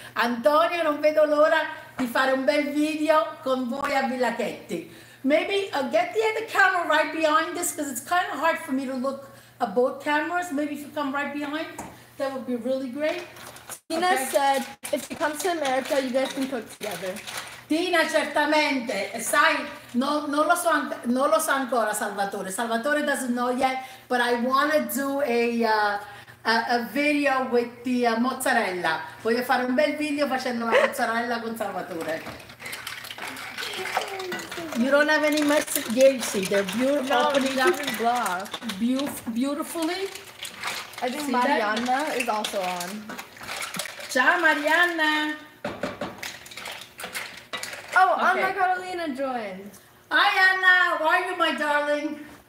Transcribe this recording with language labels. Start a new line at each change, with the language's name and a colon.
Italian: Antonio, non vedo l'ora di fare un bel video con voi a Villachetti.
English: Maybe get the other camera right behind this because it's kind of hard for me to look at both cameras. Maybe if you come right behind, that would be really great. Tina said, if you come to America, you guys can cook together.
Italian: Tina, certamente. Sai, non lo so ancora, Salvatore.
English: Salvatore doesn't know yet, but I want to do a video with the mozzarella.
Italian: Voglio fare un bel video facendo la mozzarella con Salvatore.
English: You don't have any message? Yeah, you see, they're beautiful. No, opening up beautifully. I think see Marianna that? Is also on.
Italian: Ciao, Marianna.
English: Oh, okay. Anna Carolina joined. Hi, Anna. How are you, my darling?